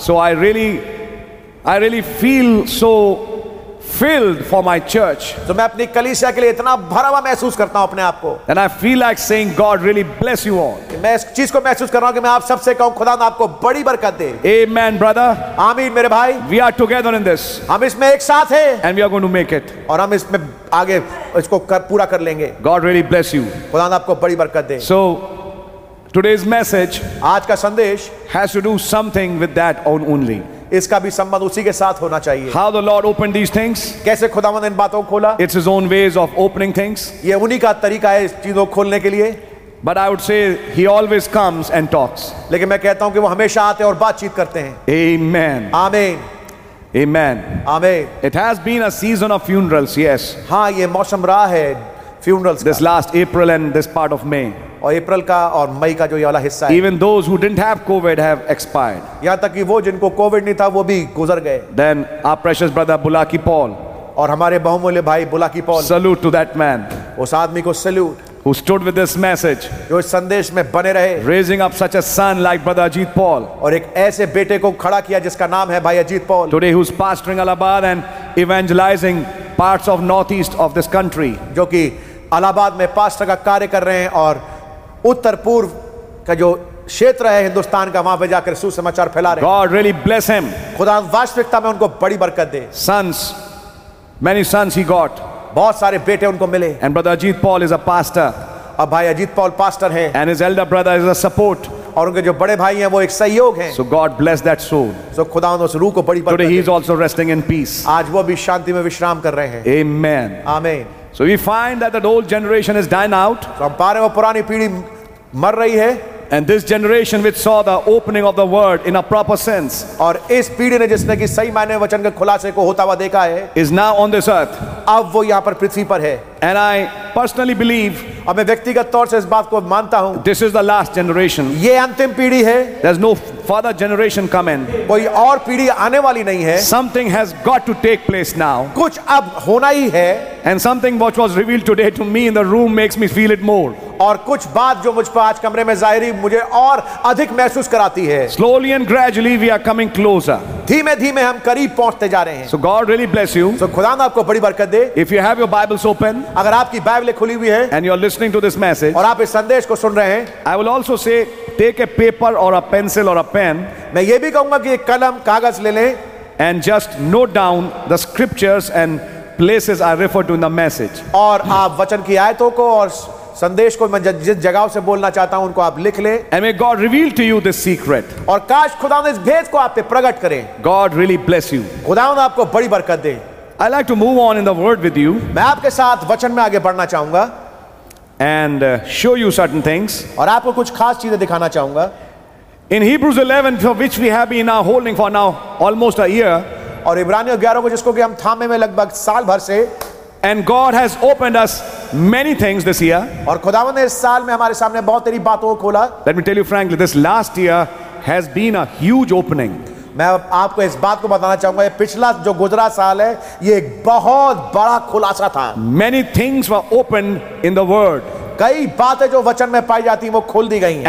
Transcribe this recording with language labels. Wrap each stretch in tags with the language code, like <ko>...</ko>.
<en>So I really feel so filled for my church.</en> <hi>तो मैं अपनी कलीसिया के लिए इतना भरा हुआ महसूस करता हूं अपने आप को.</hi> <en>And I feel like saying God really bless you all.</en> <hi>मैं इस चीज को महसूस कर रहा हूं कि मैं आप सबसे कहूं खुदा आपको बड़ी बरकत दे.</hi> <en>Amen brother.</en> <hi>आमीन मेरे भाई.</hi> <en>We are together in this.</en> <hi>हम इसमें एक साथ हैं.</hi> <en>And we are going to make it.</en> <hi>और हम इसमें आगे इसको पूरा कर लेंगे.</hi> <en>God really bless you.</en> <hi>खुदा आपको बड़ी बरकत दे.</hi> <en>So today's message.</en> <hi>आज का संदेश.</hi> <en>Has to do something with that only.</en> <hi>इसका भी संबंध उसी के साथ होना चाहिए.</hi> <en>How the Lord opened these things?</en> <hi>कैसे खुदावंद इन बातों को खोला?</hi> <en>It's His own ways of opening things.</en> <hi>ये उन्हीं का तरीका है इस चीजों को खोलने के लिए.</hi> <en>But I would say He always comes and talks.</en> <hi>लेकिन मैं कहता हूँ कि वो हमेशा आते हैं और बातचीत करते हैं.</hi> <en>Amen. Amen. Amen. Amen. It has been a season of funerals. Yes.</en> <hi>हाँ, ये मौसम रहा है funerals.</hi> <en>This last April and this part of May.</en> <hi>और अप्रैल का और मई का जो ये वाला हिस्सा है.</hi> <en>Even those who didn't have COVID have expired.</en> <hi>यहाँ तक कि वो जिनको कोविड नहीं था वो भी गुजर गए.</hi> <en>Then our precious brother Bulaki Paul.</en> <hi>और हमारे बहुमूल्य भाई Bulaki Paul.</hi> <en>Salute to that man.</en> <hi>उस आदमी को salute.</hi> <en>Who stood with this message?</en> <hi>जो इस संदेश में बने रहे.</hi> <en>Raising up such a son like brother Ajit Paul.</en> <hi>और एक ऐसे बेटे को खड़ा किया जिसका नाम है भाई Ajit Paul.</hi> <en>Today who's pastoring Allahabad and evangelizing parts of northeast of this country.</en> <hi>जो कि अलाहाबाद में पास्टर का कार्य कर रहे हैं और उत्तर पूर्व का जो क्षेत्र है हिंदुस्तान का वहां पे जाकर सुसमाचार फैला रहे.</hi> <en>God really bless him.</en> <hi>खुदा वास्तविकता में उनको बड़ी बरकत दे.</hi> <en>Sons, many sons he got.</en> <hi>बहुत सारे बेटे उनको मिले.</hi> <en>And brother Ajit Paul is a pastor.</en> <hi>अब भाई अजीत पॉल पास्टर हैं.</hi> <en>And his elder brother is a support.</en> <hi>और उनके जो बड़े भाई हैं वो एक सहयोग हैं.</hi> <en>So God bless that soul.</en> <hi>So खुदा उस रूह को बड़ी बरकत दे.</hi> <en>Today he is also resting in peace.</en> <hi>आज वो भी शांति में विश्राम कर रहे हैं.</hi> <en>Amen. Amen. So we find that the old generation is dying out.</en> <hi>तो हम पा रहे हैं वो पुरानी पीढ़ी मर रही है.</hi> <en>And this generation which saw the opening of the word in a proper sense.</en> <hi>और इस पीढ़ी ने जिसने कि सही मायने वचन के खुलासे को होता हुआ देखा है.</hi> <en>Is now on this earth.</en> <hi>अब वो यहाँ पर पृथ्वी पर है.</hi> <en>And I personally believe.</en> <hi>अब मैं व्यक्तिगत तौर से इस बात को मानता हूँ.</hi> <en>This is the last generation.</en> <hi>ये अंतिम पीढ़ी है.</hi> <en>There's no further generation coming.</en> <hi>कोई और पीढ़ी आने वाली नहीं है.</hi> <en>Something has got to take place now.</en> <hi>कुछ अब होना ही है.</hi> <en>And something which was revealed today to me in the room makes me feel it more.</en> <hi>और कुछ बात जो मुझ पर आज कमरे में जाहिर हुई मुझे और अधिक महसूस कराती है.</hi> <en>Slowly and gradually we are coming closer.</en> <hi>धीमे धीमे हम करीब पहुंचते जा रहे हैं.</hi> <en>So God really bless you.</en> <hi>So खुदा आपको बड़ी बरकत दे.</hi> <en>If you have your Bibles open.</en> <hi>अगर आपकी बाइबल खुली हुई है.</hi> <en>And you are listening to this message.</en> <hi>और आप इस संदेश को सुन रहे हैं.</hi> <en>I will also say take a paper or a pencil or a pen.</en> <hi>मैं ये भी कहूंगा कि एक कलम कागज ले लें.</hi> <en>And just note down the scriptures and places I refer to in the message.</en> <hi>और आप वचन की आयतों को और संदेश को मैं जिस जगहों से बोलना चाहता हूं उनको आप लिख लें.</hi> <en>And may God reveal to you this secret.</en> <hi>और काश खुदा ने इस भेद को आप पे प्रकट करें.</hi> <en>God really bless you.</en> <hi>खुदा ने आपको बड़ी बरकत दे.</hi> <en>I like to move on in the word with you.</en> <hi>मैं आपके साथ वचन में आगे बढ़ना चाहूंगा.</hi> <en>And show you certain things.</en> <hi>और आपको कुछ खास चीजें दिखाना चाहूंगा.</hi> <en>In Hebrews 11 for which we have been now holding for now almost a year.</en> <hi>और इब्रानियों 11 को जिसको कि हम थामे में लगभग साल भर से.</hi> <en>And God has opened us many things this year.</en> <hi>और खुदावन ने इस साल में हमारे सामने बहुत तेरी बातों को खोला.</hi> <en>Let me tell you frankly, this last year has been a huge opening.</en> <hi>मैं आपको इस बात को बताना चाहूंगा, ये पिछला जो गुजरा साल है ये एक बहुत बड़ा खुलासा था.</hi> <en>Many things were opened in the word.</en> <hi>कई बातें जो वचन में पाई जाती हैं वो खोल दी गई हैं.</hi>